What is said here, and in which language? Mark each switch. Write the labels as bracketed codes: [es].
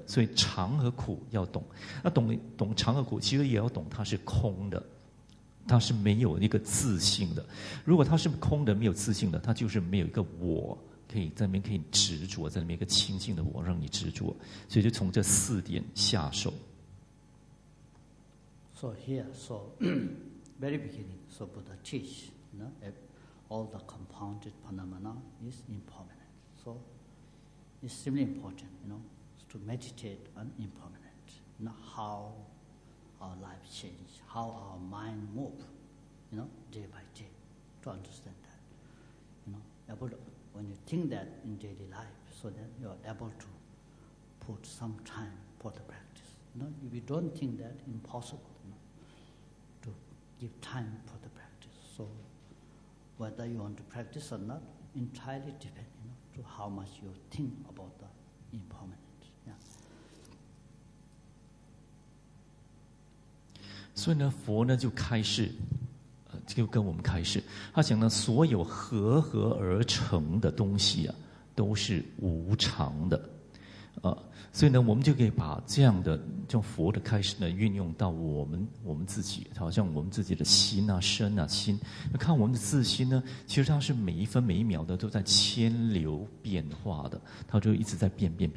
[zh] 所以常和苦要懂，那懂常和苦其实也要懂它是空的，它是没有一个自性的。如果它是空的没有自性的，它就是没有一个我可以在那边可以执着，在那边一个清净的我让你执着。所以就从这四点下手。 [en] So here, so very beginning, so Buddha teach, all the compounded phenomena is impermanent. So it's extremely important, to meditate on impermanent. How our life change, how our mind move, day by day, to understand that. When you think that in daily life, so then you're able to put some time for the practice. If you don't think that, impossible. Give time for the practice. So whether you want to practice or not, entirely depends to how much you think about the impermanent. Yeah. [zh] 所以呢佛呢就开示就跟我们开示，他讲呢所有合合而成的东西都是无常的所以呢我们就可以把这样的叫佛的开始呢运用到我们自己，好像我们自己的心身心，看我们的自心呢，其实它是每一分每一秒的都在牵流变化的，它就一直在变。